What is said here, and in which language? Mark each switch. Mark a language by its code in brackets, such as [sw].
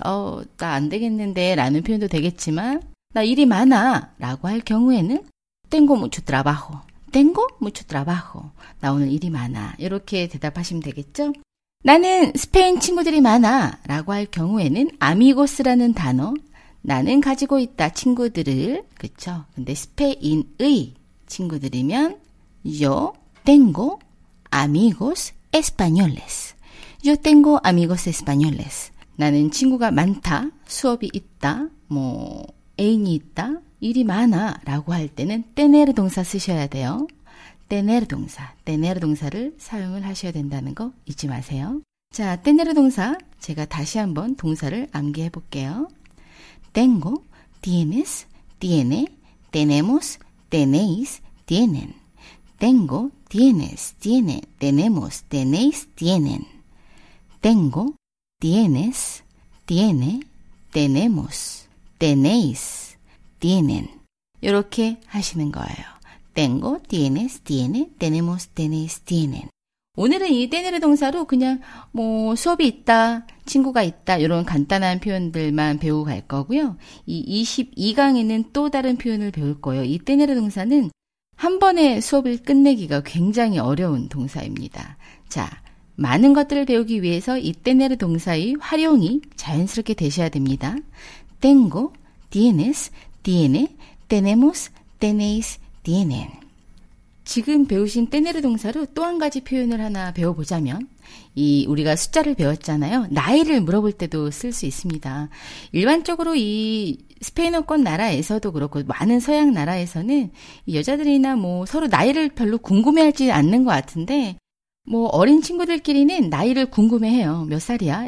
[ko] 나 안 되겠는데 라는 표현도 되겠지만 나 일이 많아 라고 할 경우에는 [es] Tengo mucho trabajo. Tengo mucho trabajo. [ko] 나 오늘 일이 많아. 이렇게 대답하시면 되겠죠. 나는 스페인 친구들이 많아 라고 할 경우에는 amigos라는 단어 나는 가지고 있다 친구들을 그쵸? 근데 스페인의 친구들이면 [es] Yo tengo amigos españoles. Yo tengo amigos españoles. [ko] 나는 친구가 많다, 수업이 있다, 뭐 애인이 있다, 일이 많아 라고 할 때는 tener 동사 쓰셔야 돼요. tener 동사, tener 동사를 사용을 하셔야 된다는 거 잊지 마세요. 자, tener 동사 제가 다시 한번 동사를 암기해 볼게요. [es] Tengo, tienes, tiene, tenemos, tenéis, tienen. Tengo, tienes, tiene, tenemos, tenéis, tienen. Tengo, tienes, tiene, tenemos, tenéis, tienen. [ko] 이렇게 하시는 거예요. [es] Tengo, tienes, tiene, tenemos, tenéis, tienen. [ko] 오늘은 이 tener 동사로 그냥 뭐 수업이 있다, 친구가 있다 이런 간단한 표현들만 배우고 갈 거고요. 이 22강에는 또 다른 표현을 배울 거예요. 이 tener 동사는 한 번에 수업을 끝내기가 굉장히 어려운 동사입니다. 자, 많은 것들을 배우기 위해서 이 tener 동사의 활용이 자연스럽게 되셔야 됩니다. [es] Tengo, tienes, tiene, tenemos, tenéis, tienen. [ko] 지금 배우신 떼내르 동사로 또 한 가지 표현을 하나 배워보자면 이 우리가 숫자를 배웠잖아요. 나이를 물어볼 때도 쓸 수 있습니다. 일반적으로 이 스페인어권 나라에서도 그렇고 많은 서양 나라에서는 여자들이나 뭐 서로 나이를 별로 궁금해하지 않는 것 같은데 뭐 어린 친구들끼리는 나이를 궁금해해요. 몇 살이야?